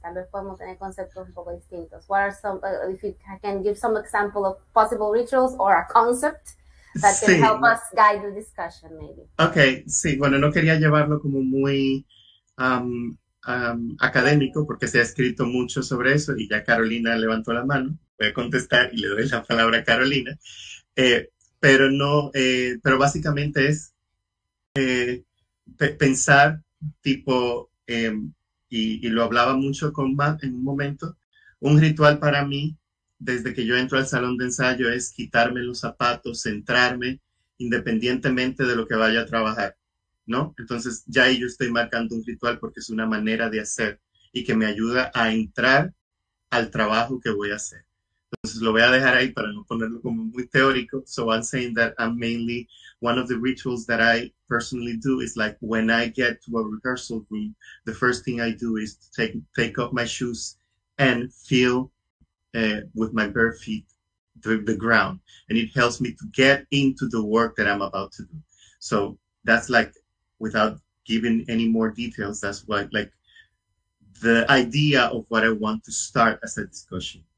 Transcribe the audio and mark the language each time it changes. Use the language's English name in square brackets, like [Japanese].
[Spanish] Tal vez podemos tener conceptos un poco distintos. [English] What are some, if you, I can give some example of possible rituals or a concept that can help us guide the discussion, maybe. [Spanish] Okay, sí. Bueno, no quería llevarlo como muy académico porque se ha escrito mucho sobre eso y ya Carolina levantó la mano. Voy a contestar y le doy la palabra a Carolina. Pero no, pero básicamente es pensar tipo, y lo hablaba mucho con Matt en un momento, un ritual para mí desde que yo entro al salón de ensayo es quitarme los zapatos, centrarme independientemente de lo que vaya a trabajar, ¿no? Entonces ya ahí yo estoy marcando un ritual porque es una manera de hacer y que me ayuda a entrar al trabajo que voy a hacer. Entonces lo voy a dejar ahí para no ponerlo como muy teórico. [English] So I'm saying that I'm mainly, one of the rituals that I personally do is like when I get to a rehearsal room, the first thing I do is to take off my shoes and feel with my bare feet the ground. And it helps me to get into the work that I'm about to do. So that's like, without giving any more details, that's what, like the idea of what I want to start as a discussion.